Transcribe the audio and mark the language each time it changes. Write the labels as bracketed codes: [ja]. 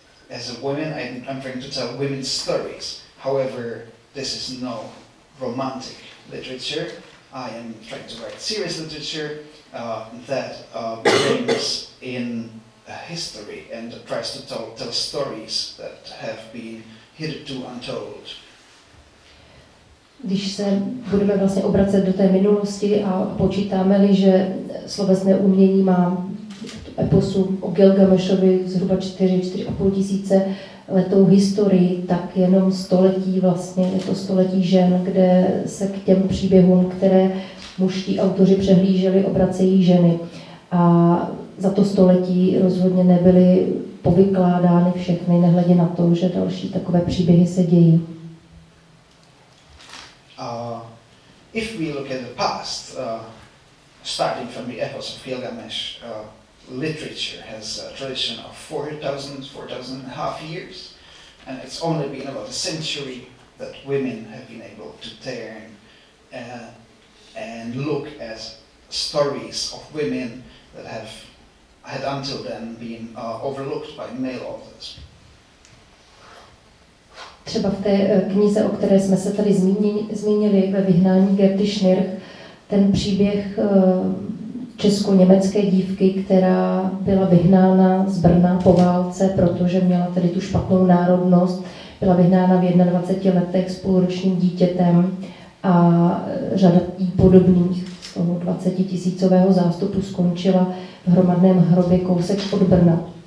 [en] as a woman, I'm trying to tell women's stories. However, this is no romantic literature. I am trying to write serious literature that brings in history and tries to tell stories that have been hitherto untold. [cs] Když se budeme vlastně obracet do té minulosti a počítáme-li, že slovesné umění má eposu o Gilgamešovi zhruba 4-4,5 tisíce letou historii, tak jenom století vlastně, je to století žen, kde se k těm příběhům, které mužští autoři přehlíželi, obracejí ženy. A za to století rozhodně nebyly povykládány všechny, nehledě na to, že další takové příběhy se dějí. [en] If we look at the past, starting from the epos of Gilgamesh, literature has a tradition of 4,000 and a half years, and it's only been about a century that women have been able to turn and look at stories of women that have had until then been overlooked by male authors. [cs] Třeba v té knize, o které jsme se tady zmínili ve vyhnání Gerty Schnirch, ten příběh česko-německé dívky, která byla vyhnána z Brna po válce, protože měla tedy tu špatnou národnost, byla vyhnána v 21 letech s půlročním dítětem a řada jí podobných z toho 20-tisícového zástupu skončila v hromadném hrobě kousek od Brna.